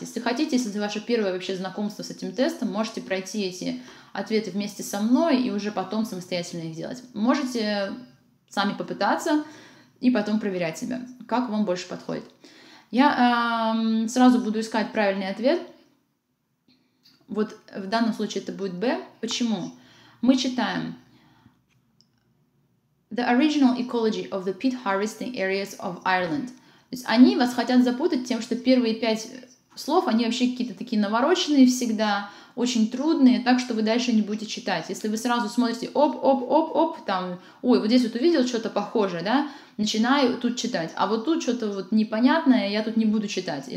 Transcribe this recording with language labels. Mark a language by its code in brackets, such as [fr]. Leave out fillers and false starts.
[ru] Если хотите, если это ваше первое вообще знакомство с этим тестом, можете пройти эти ответы вместе со мной и уже потом самостоятельно их делать. Можете сами попытаться и потом проверять себя, как вам больше подходит. Я сразу буду искать правильный ответ. Вот в данном случае это будет B. Почему? Мы читаем. [en] The original ecology of the peat harvesting areas of Ireland. [ru] То есть они вас хотят запутать тем, что первые пять слов, они вообще какие-то такие навороченные всегда, очень трудные, так что вы дальше не будете читать. Если вы сразу смотрите, оп-оп-оп-оп, там, ой, вот здесь вот увидел что-то похожее, да, начинаю тут читать. А вот тут что-то вот непонятное, я тут не буду читать.